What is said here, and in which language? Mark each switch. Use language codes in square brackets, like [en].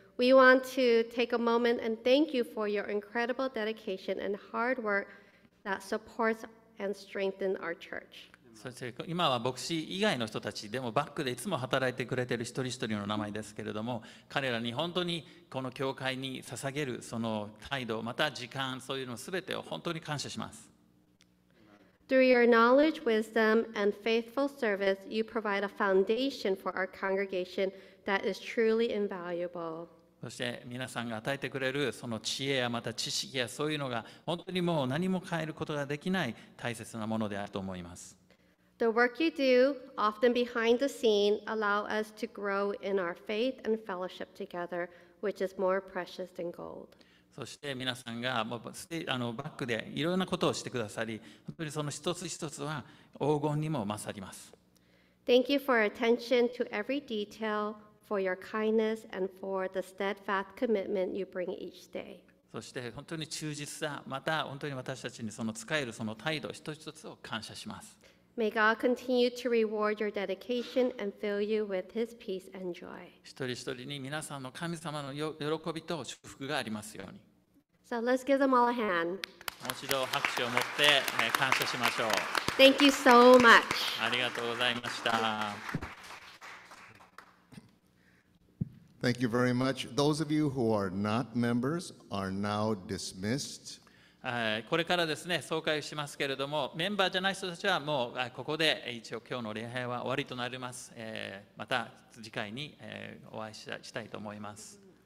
[en] We want to take a moment and thank you for your incredible dedication and hard work that supports and strengthens our church. [ja] そして今は牧師以外の人たちでもバックでいつも働いてくれている一人一人の名前ですけれども、彼らに本当にこの教会に捧げるその態度、また時間、そういうのすべてを本当に感謝します。 [en] Through your knowledge, wisdom, and faithful service, you provide a foundation for our congregation that is truly invaluable. [ja] そして皆さんが与えてくれるその知恵やまた知識やそういうのが本当にもう何も変えることができない大切なものであると思います。 [en] The work you do, often behind the scene, allow us to grow in our faith and fellowship together, which is more precious than gold. [ja] そして皆さんがもうバックでいろんなことをしてくださり、本当にその一つ一つは黄金にも勝ります。 [en] Thank you for your attention to every detail, for your kindness, and for the steadfast commitment you bring each day. [ja] そして本当に忠実さ、また本当に私たちにその使えるその態度一つ一つを感謝します。 [en] May God continue to reward your dedication and fill you with His peace and joy. [ja] 一人一人に皆さんの神様の喜びと祝福がありますように。 [en] So let's give them all a hand. [ja] もう一度拍手を持って感謝しましょう。 [en] Thank you so much. [ja] ありがとうございました。 [en] Thank you very much. Those of you who are not members are now dismissed. [ja] これからですね、総会をしますけれども、メンバーじゃない人たちはもうここで一応今日の礼拝は終わりとなります。また次回にお会いしたいと思います。